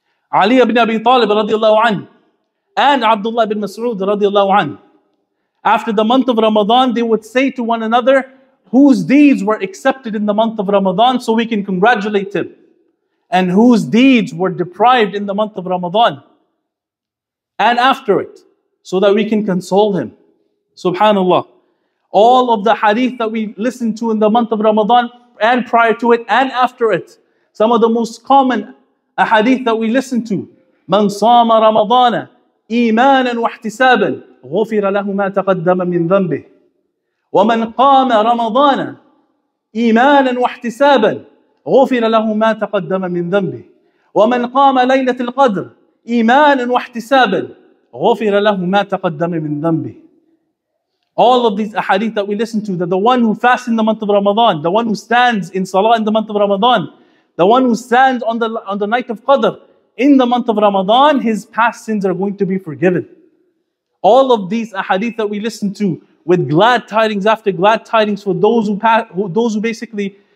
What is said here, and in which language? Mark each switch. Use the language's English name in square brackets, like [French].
[English] Ali ibn Abi Talib radiallahu anhu and Abdullah ibn Mas'ud radiallahu anhu, after the month of Ramadan, they would say to one another, whose deeds were accepted in the month of Ramadan so we can congratulate him, and whose deeds were deprived in the month of Ramadan and after it, so that we can console him. SubhanAllah. All of the hadith that we listen to [Arabic] in the month of Ramadan and prior to it and after it, some of the most common hadith that we listen to, مَنْ صَامَ رَمَضَانَ إِيمَانًا وَاحْتِسَابًا غُفِرَ لَهُ مَا تَقَدَّمَ مِنْ ذَنْبِهِ وَمَنْ قَامَ رَمَضَانَ إِيمَانًا وَاحْتِسَابًا غُفِرَ لَهُ مَا تَقَدَّمَ مِنْ ذَنْبِهِ وَمَنْ قَامَ لَيْلَةِ الْقَدْرِ إِيمَانًا وَاحْتِسَابًا غُفِرَ لَهُ مَا تَقَدَّمَ مِنْ ذَنْبِهِ. [English] All of these ahadith that we listen to, that the one who fasts in the month of Ramadan, the one who stands in salah in the month of Ramadan, the one who stands on the night of Qadr in the month of Ramadan, his past sins are going to be forgiven. All of these ahadith that we listen to, with glad tidings after glad tidings for those who basically